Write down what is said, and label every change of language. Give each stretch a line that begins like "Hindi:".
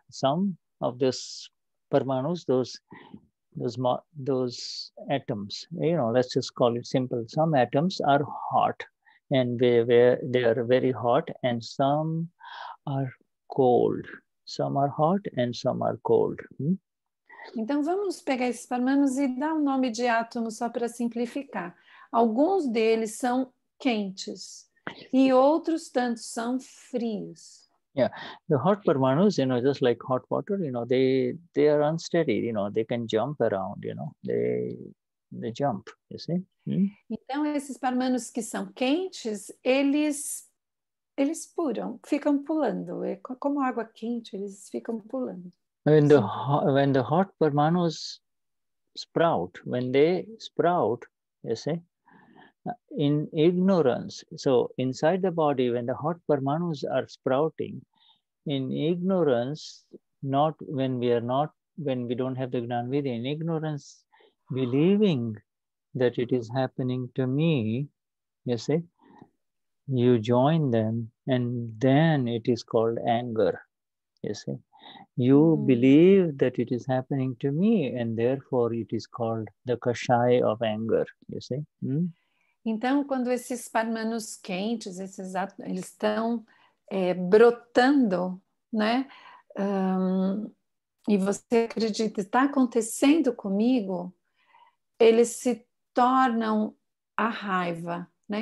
English: Some of this parmanos, those atoms. You know, let's just call it simple. Some atoms are hot. and they are very hot, and some are cold. Some are hot and some are cold.
Portuguese: Então, vamos pegar esses parmanos e dar um nome de átomo só para simplificar. Alguns deles são quentes e outros tantos são frios.
English: Yeah, the hot parmanus, you know, just like hot water, you know, they are unsteady, you know, they can jump around, you know, they jump, you see?
Portuguese: Então, esses parmanos que são quentes, eles pulam, ficam pulando, é como água quente, eles ficam pulando.
English: When the hot parmanus sprout, when they sprout, you see, in ignorance, so inside the body, when the hot parmanus are sprouting, in ignorance, when we don't have the Gnanvidya, in ignorance, believing that it is happening to me, you see, you join them, and then it is called anger, you see. You believe that it is happening to me, and therefore it is called the kashai of anger, you see.
Portuguese: Então, quando esses parmanos quentes, esses átomos, eles estão brotando, né? E você acredita, está acontecendo comigo, eles se tornam a raiva, né?